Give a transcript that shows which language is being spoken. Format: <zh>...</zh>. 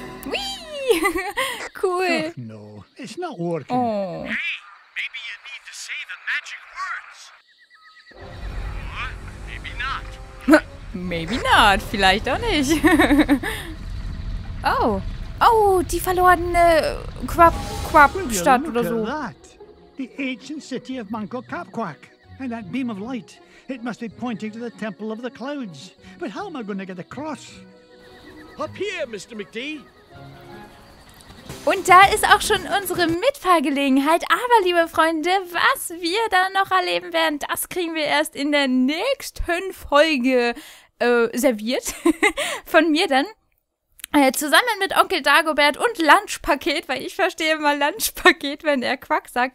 <en>Whee! Cool. Ach, no, it's not working. Oh. Hey, maybe you need to say the magic words. Maybe not.</en> <de>Vielleicht auch nicht. Oh. Oh, die verlorene Quappenstadt oder so.</de> <en>The ancient city of Munko Kapkwak. And that beam of light. It must be pointing to the temple of the clouds. But how am I going to get across? Up here, Mr. McD.</en> <de>Und da ist auch schon unsere Mitfahrgelegenheit. Aber, liebe Freunde, was wir da noch erleben werden, das kriegen wir erst in der nächsten Folge serviert. Von mir dann. Zusammen mit Onkel Dagobert und Lunchpaket, weil ich verstehe immer Lunchpaket, wenn er Quack sagt.</de>